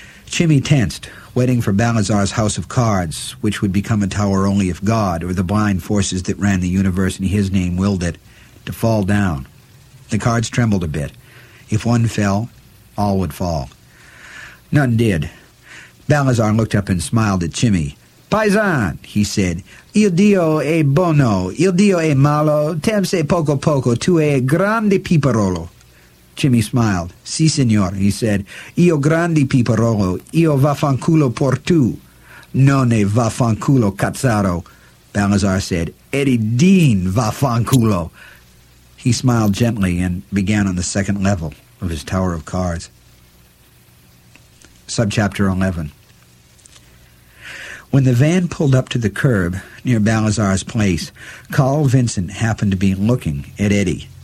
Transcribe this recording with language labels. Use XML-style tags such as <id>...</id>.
<en>Chimmy tensed, waiting for Balazar's house of cards, which would become a tower only if God, or the blind forces that ran the universe in his name, willed it, to fall down. The cards trembled a bit. If one fell, all would fall. None did. Balazar looked up and smiled at Chimmy.</en> <it>"Paisan,"</it> <en>he said,</en> <it>"il Dio è buono, il Dio è malo, temse poco poco, tu è grande piperolo."</it> <en>Chimmy smiled.</en> <it>"Si, signor,"</it> <en>he said,</en> <it>"io grande piperolo, io vaffanculo por tu." "Non è vaffanculo, cazzaro,"</it> <en>Balazar said.</en> <it>"Eddie Dean vaffanculo."</it> <en>He smiled gently and began on the second level of his tower of cards. Subchapter 11. When the van pulled up to the curb near Balazar's place, Carl Vincent happened to be looking at Eddie.</en>